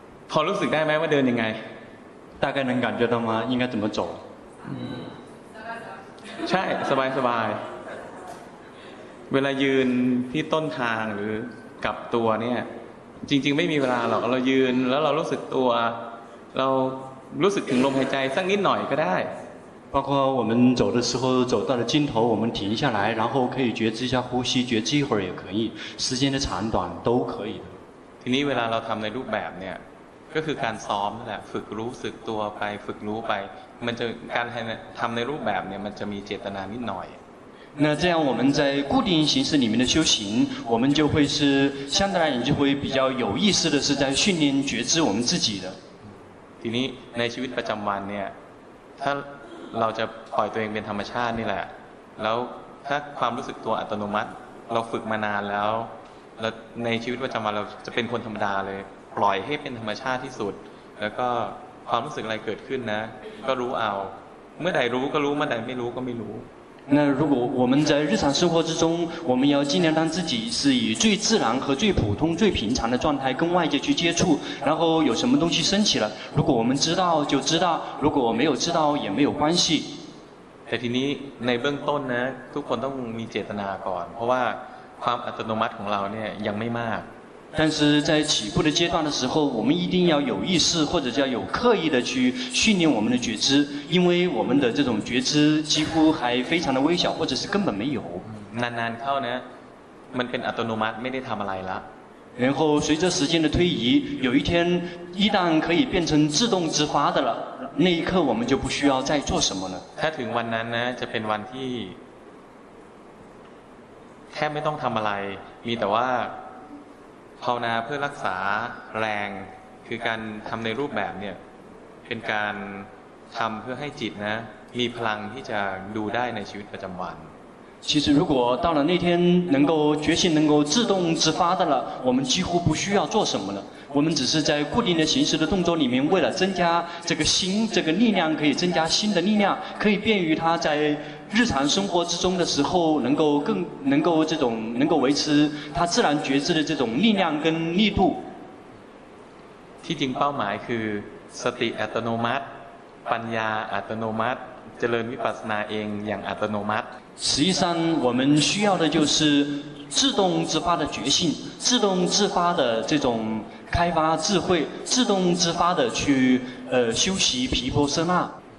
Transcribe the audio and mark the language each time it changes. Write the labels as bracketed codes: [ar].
[th] พอรู้สึกได้ไหมว่าเดินยังไง ตาก็ [zh] 能感觉到吗应该怎么走 [th] ใช่สบายสบายเวลายืนที่ต้นทางหรือกลับตัวเนี่ยจริงๆไม่มีเวลาหรอกเรายืนแล้วเรารู้สึกตัวเรารู้สึกถึงลมหายใจสักนิดหน่อยก็ได้ [zh] 包括我们走的时候走到了尽头我们停下来然后可以觉知一下呼吸觉知一会儿也可以时间的长短都可以的 [th] ทีนี้เวลาเราทำในรูปแบบเนี่ยก็คือการซ้อมนั่นแหละฝึกรู้สึกตัวไปฝึกรู้ไปมันจะการทำในรูปแบบเนี่ยมันจะมีเจตนานิดหน่อย [zh] 那这样我们在固定形式里面的修行我们就会是相对来讲就会比较有意思的是在训练觉知我们自己的 [th] ทีนี้ในชีวิตประจำวันเนี่ยถ้าเราจะปล่อยตัวเองเป็นธรรมชาตินี่แหละแล้วถ้าความรู้สึกตัวอัตโนมัติเราฝึกมานานแล้วแล้วในชีวิตประจำวันเราจะเป็นคนธรรมดาเลยปล่อยให้เป็นธรรมชาติที่สุดแล้วก็ความรู้สึกอะไรเกิดขึ้นนะก็รู้เอาเมื่อใดรู้ก็รู้เมื่อใดไม่รู้ก็ไม่รู้ [zh] 那如果我们在日常生活之中我们要尽量让自己是以最自然和最普通最平常的状态跟外界去接触然后有什么东西升起了如果我们知道就知道如果没有知道也没有关系 [th] แต่ทีนี้ในเบื้องต้นนะทุกคนต้องมีเจตนาก่อนเพราะว่าความอัตโนมัติของเราเนี่ยยังไม่มาก [zh] 但是在起步的阶段的时候我们一定要有意识或者叫有刻意的去训练我们的觉知因为我们的这种觉知几乎还非常的微小或者是根本没有 [th] นานๆเข้านะมันเป็นอัตโนมัติไม่ได้ทำอะไรละ [zh] 然后随着时间的推移有一天一旦可以变成自动自发的了那一刻我们就不需要再做什么了 [th] ถ้าถึงวันนั้นนะจะเป็นวันที่แทบไม่ต้องทำอะไรมีแต่ว่าภาวนาเพื่อรักษาแรงคือการทำในรูปแบบเนี่ยเป็นการทำเพื่อให้จิตนะมีพลังที่จะดูได้ในชีวิตประจำวัน [zh] 其实如果到了那天能够觉性能够自动自发的了我们几乎不需要做什么了我们只是在固定的形式的动作里面为了增加这个心这个力量可以增加心的力量可以便于它在日常生活之中的时候能够更能够这种能够维持它自然觉知的这种力量跟力度 [th] ที่จริงเป้าหมายคือสติอัตโนมัติปัญญาอัตโนมัติเจริญวิปัสสนาเองอย่างอัตโนมัติ [zh] 实际上我们需要的就是自动自发的觉性自动自发的这种开发智慧自动自发的去修习毗婆舍那